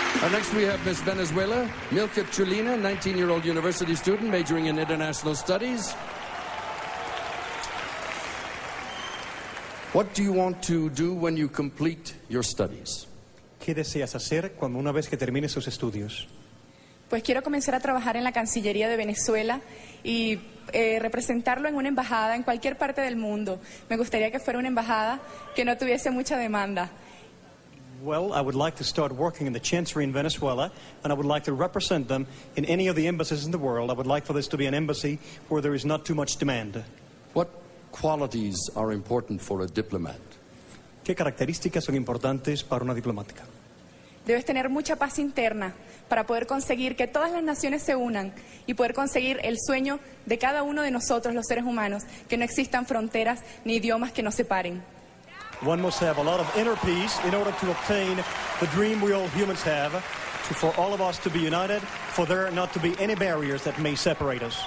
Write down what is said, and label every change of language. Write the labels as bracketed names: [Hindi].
[English] Next, we have Miss Venezuela, Milka Chulina, 19-year-old university student majoring in international studies. What do you want to do when you complete your studies? [Spanish] ¿Qué deseas hacer cuando una vez que termines tus estudios? Pues quiero comenzar a trabajar en la Cancillería de Venezuela y representarlo en una embajada en cualquier parte del mundo. Me gustaría que fuera una embajada que no tuviese mucha demanda. [English] Well, I would like to start working in the Chancery in Venezuela, and I would like to represent them in any of the embassies in the world. I would like for this to be an embassy where there is not too much demand. What qualities are important for a diplomat? [Spanish] ¿Qué características son importantes para una diplomática? Debes tener mucha paz interna para poder conseguir que todas las naciones se unan y poder conseguir el sueño de cada uno de nosotros, los seres humanos, que no existan fronteras ni idiomas que nos separen. [English] One must have a lot of inner peace in order to obtain the dream we all humans have, to, for all of us to be united, for there not to be any barriers that may separate us.